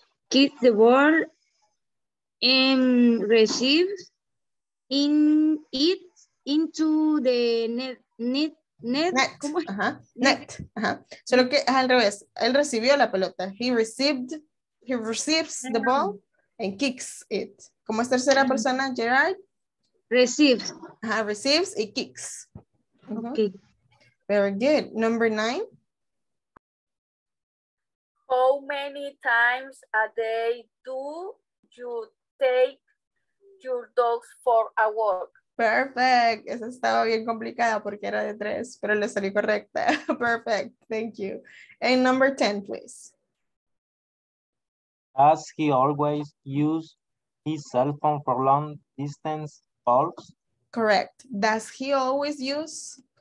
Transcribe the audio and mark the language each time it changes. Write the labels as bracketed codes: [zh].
[en] Kids the world and receive in it into the net. Ajá. [es] Solo que al revés, él recibió la pelota. [en] He receives the ball and kicks it. [es] ¿Cómo es tercera persona, Gerard? [en] Receives. Ajá, receives y kicks. Okay. Very good. Number 9. How many times a day do you take your dogs for a walk? Perfect. [es] Esa estaba bien complicada porque era de tres, pero le salió correcta. [en] Perfect. Thank you. And number 10, please. Does he always use his cell phone for long distance calls? Correct. Does he always use?